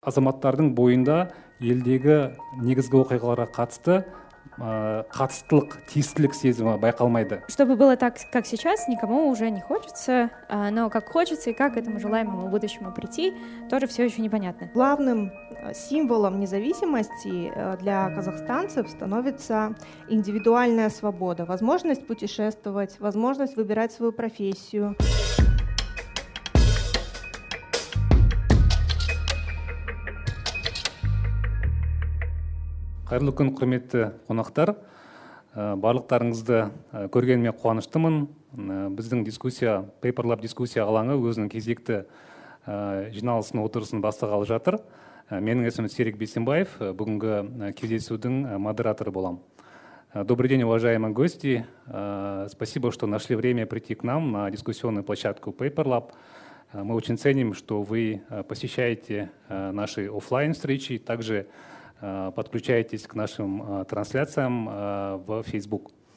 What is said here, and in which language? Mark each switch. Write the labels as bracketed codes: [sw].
[kk] азаматтардың бойында елдегі негізгі оқиғаларға қатысты қатыстылық, тиістілік сезімі байқалмайды. [ru] Чтобы было так, как сейчас, никому уже не хочется, но как хочется и как этому желаемому будущему прийти, тоже все еще непонятно. Главным символом независимости для казахстанцев становится индивидуальная свобода, возможность путешествовать, возможность выбирать свою профессию. [kk] Қайырлы күн, құрметті қонақтар. Барлықтарыңызды көргеніме қуаныштымын. Біздің дискуссия, PaperLab дискуссия алаңы өзінің кезекті жиналысын, отырысын бастағалы жатыр. Менің есімім Серік Бесенбаев, бүгінгі кездесудің модераторы болам. [ru] Добрый день, уважаемые гости. Спасибо, что нашли время прийти к нам на дискуссионную площадку PaperLab. Мы очень ценим, что вы посещаете наши офлайн-встречи, также подключайтесь к нашим трансляциям в Facebook.